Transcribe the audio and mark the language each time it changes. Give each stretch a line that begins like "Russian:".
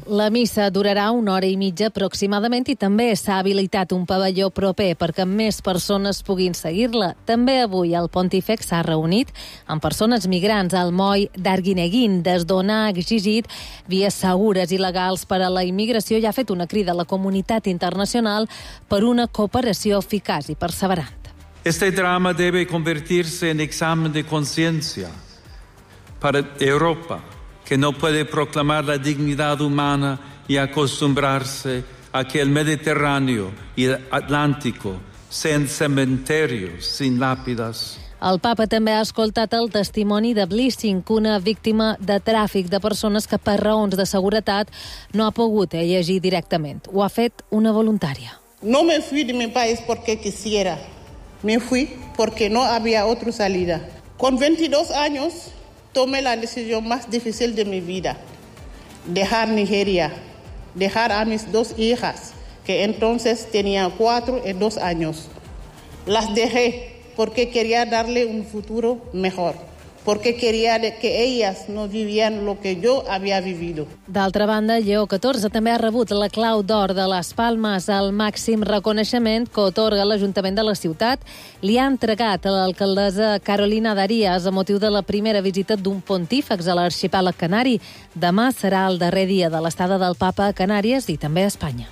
Catalan: La missa durarà una hora i mitja aproximadament i també s'ha habilitat un pavelló proper perquè més persones puguin seguir-la. També avui el pontífex s'ha reunit amb persones migrants al moll d'Arguineguín. Des d'on ha exigit vies segures i legals per a la immigració i ha fet una crida a la comunitat internacional per una cooperació eficaç i perseverant.
Spanish: Este drama debe convertirse en examen de conciencia para Europa, que no puede proclamar la dignidad humana y acostumbrarse a que el Mediterráneo y el Atlántico sean cementerios sin lápidas.
Catalan: El Papa també ha escoltat el testimoni de Blissing, una víctima de tràfic de persones que per raons de seguretat no ha pogut llegir directament. Ho ha fet una voluntària.
Spanish: No me fui de mi país porque quisiera. Me fui porque no había otra salida. Con 22 años tomé la decisión más difícil de mi vida, dejar Nigeria, dejar a mis dos hijas, que entonces tenían 4 y 2 años. Las dejé porque quería darle un futuro mejor, porque quería que ellas no vivieran lo que yo había vivido.
Catalan: D'altra banda, Lleó XIV també ha rebut la Clau d'Or de les Palmes, el màxim reconeixement que otorga l'Ajuntament de la ciutat. Li ha entregat a l'alcaldessa Carolina Darias a motiu de la primera visita d'un pontífex a l'arxipèlag canari. Demà serà el darrer dia de l'estada del Papa a Canàries i també a Espanya.